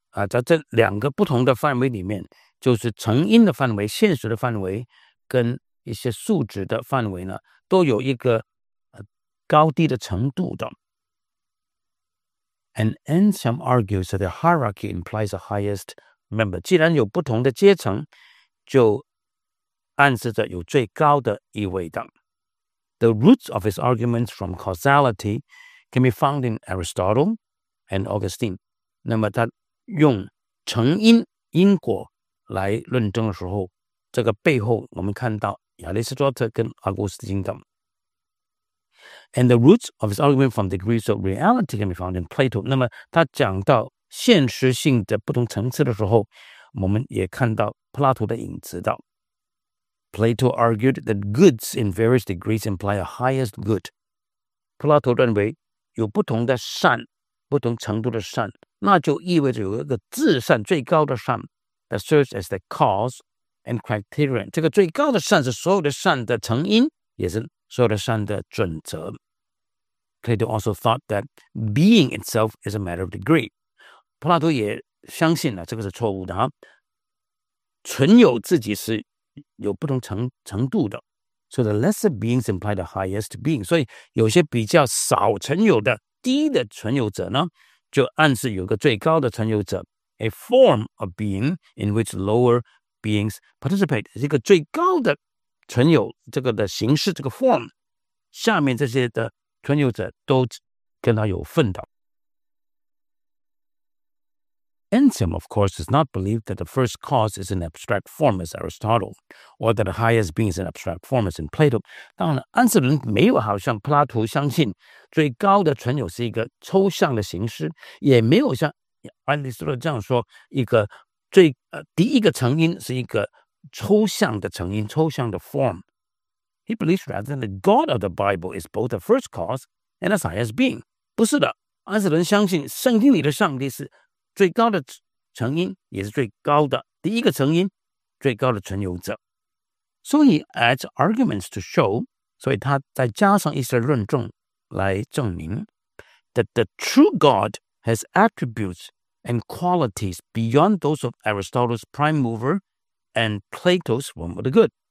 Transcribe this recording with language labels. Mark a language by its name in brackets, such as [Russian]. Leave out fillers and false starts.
[Chinese] 在这两个不同的范围里面，就是成因的范围、现实的范围跟一些素质的范围呢，都有一个高低的程度的。 [English] And Anselm argues that the hierarchy implies the highest member. [Chinese] 既然有不同的阶层，就暗示着有最高的一位的。 [English] The roots of his arguments from causality can be found in Aristotle and Augustine. [Chinese] 那么他用成因因果来论证的时候，这个背后我们看到亚里士多德跟阿古斯丁等。 [English] And the roots of his argument from degrees of reality can be found in Plato. [Chinese] 那么他讲到现实性的不同层次的时候，我们也看到柏拉图的影子的。 [English] Plato argued that goods in various degrees imply a highest good. [Chinese] 柏拉图认为有不同的善，不同程度的善，那就意味着有一个至善，最高的善 [English] that serves as the cause and criterion. [Chinese] 这个最高的善是所有的善的成因，也是所有的善的准则。 [English] Plato also thought that being itself is a matter of degree. [Chinese] 柏拉图也相信了这个是错误的，存有自己是有不同 程度的。 [English] So the lesser beings imply the highest being. [Chinese] 所以有些比较少存有的低的存有者呢，就暗示有个最高的存有者。 [English] A form of being in which lower beings participate [Chinese] 是一个最高的存有，这个的形式，这个 form 下面这些的存有者都跟他有份的。 [English] Anselm of course does not believe that the first cause is an abstract form as Aristotle, or that the highest being is an abstract form as in Plato. [Chinese] 当然安瑟伦没有好像柏拉图相信最高的存有是一个抽象的形式，也没有像亚里士多德这样说一个最第一个成因是一个抽象的成因，抽象的 form. [English] He believes rather than the God of the Bible is both the first cause and the highest being. [Chinese] 不是的，安瑟伦相信圣经里的上帝是最高的成因，也是最高的第一个成因，最高的存有者。 [English] So he adds arguments to show, [Chinese] 所以他再加上一些论证来证明 [English] that the true God has attributes and qualities beyond those of Aristotle's prime mover and Plato's form of the good.